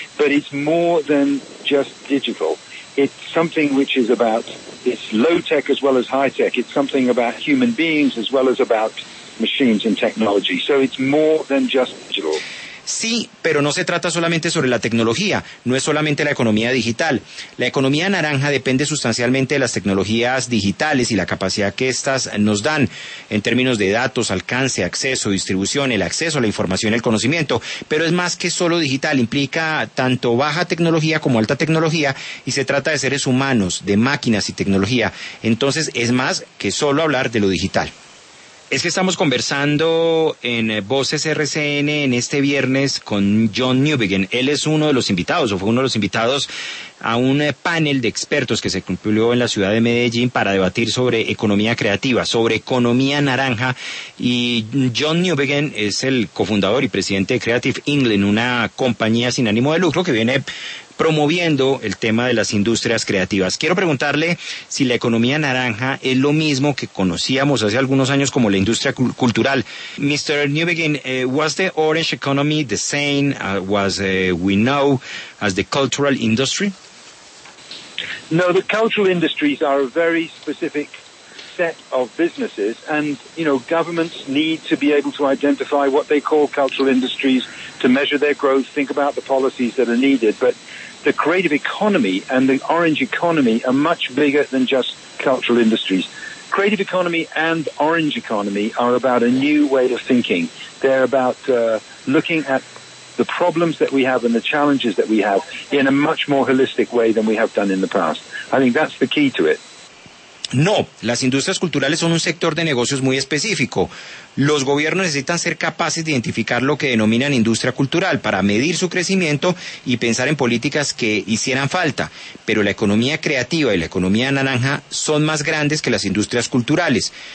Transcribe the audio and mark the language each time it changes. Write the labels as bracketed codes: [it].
[en] But it's more than just digital. It's something which is about, it's low tech as well as high tech. It's something about human beings as well as about machines and technology. So it's more than just digital. [es] Sí, pero no se trata solamente sobre la tecnología, no es solamente la economía digital. La economía naranja depende sustancialmente de las tecnologías digitales y la capacidad que éstas nos dan en términos de datos, alcance, acceso, distribución, el acceso a la información y el conocimiento. Pero es más que solo digital, implica tanto baja tecnología como alta tecnología y se trata de seres humanos, de máquinas y tecnología. Entonces es más que solo hablar de lo digital. Es que estamos conversando en Voces RCN en este viernes con John Newbegin. Él es uno de los invitados, o fue uno de los invitados, a un panel de expertos que se cumplió en la ciudad de Medellín para debatir sobre economía creativa, sobre economía naranja. Y John Newbegin es el cofundador y presidente de Creative England, una compañía sin ánimo de lucro que viene promoviendo el tema de las industrias creativas. Quiero preguntarle si la economía naranja es lo mismo que conocíamos hace algunos años como la industria cultural. [en] Mr. Newbegin, was the orange economy the same as we know as the cultural industry? No, the cultural industries are a very specific set of businesses, and you know, governments need to be able to identify what they call cultural industries to measure their growth, think about the policies that are needed, but the creative economy and the orange economy are much bigger than just cultural industries. Creative economy and orange economy are about a new way of thinking. They're about looking at the problems that we have and the challenges that we have in a much more holistic way than we have done in the past. I think that's the key to it. [es] No, las industrias culturales son un sector de negocios muy específico. Los gobiernos necesitan ser capaces de identificar lo que denominan industria cultural para medir su crecimiento y pensar en políticas que hicieran falta. Pero la economía creativa y la economía naranja son más grandes que las industrias culturales.